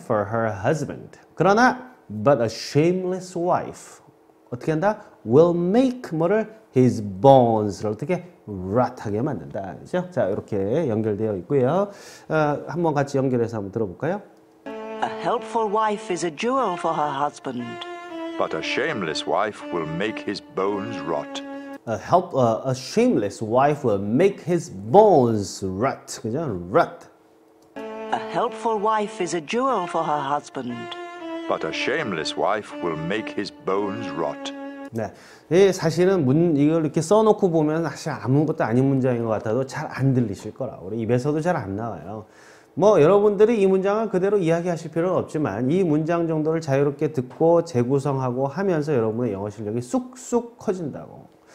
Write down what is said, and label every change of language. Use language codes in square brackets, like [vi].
[en] For her husband. [ko] 그러나 [en] but a shameless wife [ko] 어떻게 한다? [en] Will make [ko] 뭐를 [en] his bones [ko] 를 어떻게 rot하게 만든다, 그죠? 자 이렇게 연결되어 있고요. 한번 같이 연결해서 한번 들어볼까요? [en] A helpful wife is a jewel for her husband. But a shameless wife will make his bones rot. A shameless wife will make his bones rot. [ko] 그죠? [en] Rot. A helpful wife is a jewel for her husband. But a shameless wife will make his bones rot. [ko] 네, 사실은 이걸 이렇게 써놓고 보면 사실 아무것도 아닌 문장인 것 같아도 잘 안 들리실 거라. 우리 입에서도 잘 안 나와요. 뭐 여러분들이 이 문장을 그대로 이야기하실 필요는 없지만 이 문장 정도를 자유롭게 듣고 재구성하고 하면서 여러분의 영어 실력이 쑥쑥 커진다고.